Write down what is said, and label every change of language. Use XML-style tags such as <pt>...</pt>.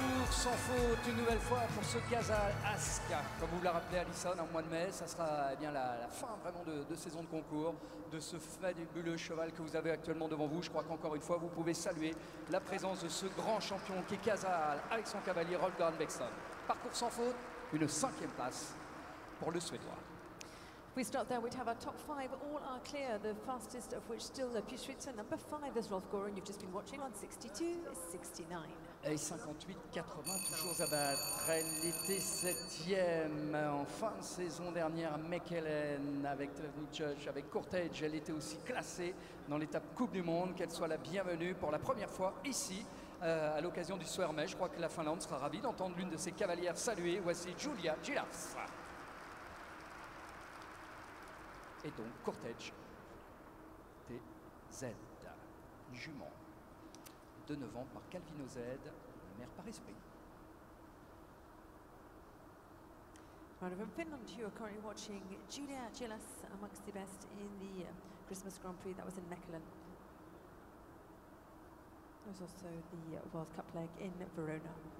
<fr>Sans faute, une nouvelle fois pour ce Casal Ask. Comme vous l'a rappelé Alison, en mois de mai, ça sera eh bien, la fin vraiment de saison de concours de ce fabuleux cheval que vous avez actuellement devant vous. Je crois qu'encore une fois, vous pouvez saluer la présence de ce grand champion qui est Casal avec son cavalier Holgard Mexon. Parcours sans faute, une 5e place pour le Suédois.</fr> <en>We start there, we'd have our top 5, all are clear, the fastest of which still the Pushwitzer. Number 5 is Rolf Gorin, you've just been watching, on 62-69.</en> <fr>Et 58-80, toujours à battre. Elle était 7e en fin de saison dernière, Mechelen, avec Trevny Church, avec Courtage. Elle était aussi classée dans l'étape Coupe du Monde. Qu'elle soit la bienvenue pour la première fois ici, à l'occasion du Suomen. Je crois que la Finlande sera ravie d'entendre l'une de ses cavalières saluer. Voici Julia Gilas. Et donc, Courtage TZ, jument de 9 ans par Calvino Z, la mère Paris-Spring.</fr> <en>Right, from Finland, you are currently watching Julia Gilas amongst the best in the Christmas Grand Prix that was in Mechelen. There was also the World Cup leg in Verona.</en>